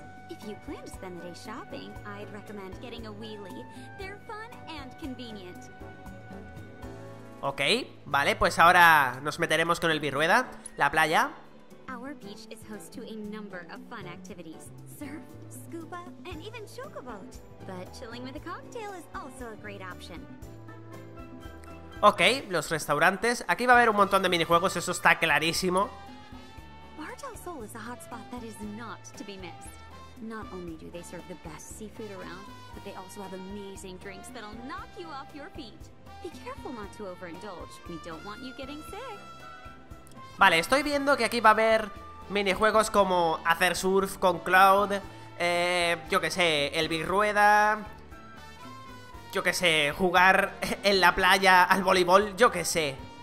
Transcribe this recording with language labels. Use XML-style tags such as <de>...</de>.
<en>If you plan to spend the day shopping, I'd recommend getting a wheelie. They're fun and convenient.</en> <es>Okay, vale, pues ahora nos meteremos con el birrueda, la playa.</es> <en>Our beach is host to a number of fun activities. Surf, scuba, and even chocobo. But chilling with a cocktail is also a great option.</en> <es>Okay, los restaurantes. Aquí va a haber un montón de minijuegos, eso está clarísimo.</es> <en>Bartel Sol is a hotspot that is not to be missed. Not only do they serve the best seafood around, but they also have amazing drinks that'll knock you off your feet. Be careful not to overindulge. We don't want you getting sick.</en> <es>Vale, estoy viendo que aquí va a haber minijuegos como hacer surf con Cloud, yo que sé, el birrueda, yo que sé, jugar en la playa al voleibol, yo que sé.</es>